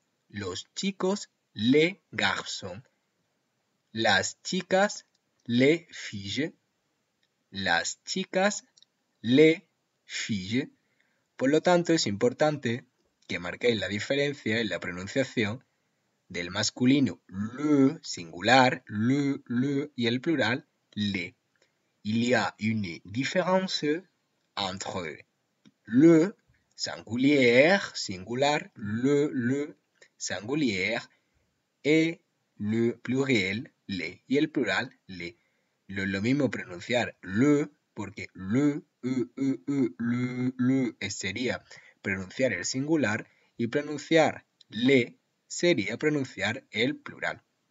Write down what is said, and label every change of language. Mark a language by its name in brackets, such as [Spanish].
[Spanish] Los chicos, [French] les garçons. [Spanish] Las chicas, [French] les filles. [Spanish] Las chicas, [French] les filles. [Spanish] Por lo tanto, es importante que marquéis la diferencia en la pronunciación del masculino le, singular, le, y el plural, les. [French] Il y a une différence entre le singulier, singular, le singulier, et le pluriel, les, [Spanish] y el plural, [French] les. [Spanish] No es lo mismo pronunciar le, porque le, le, sería pronunciar el singular, y pronunciar les sería pronunciar el plural.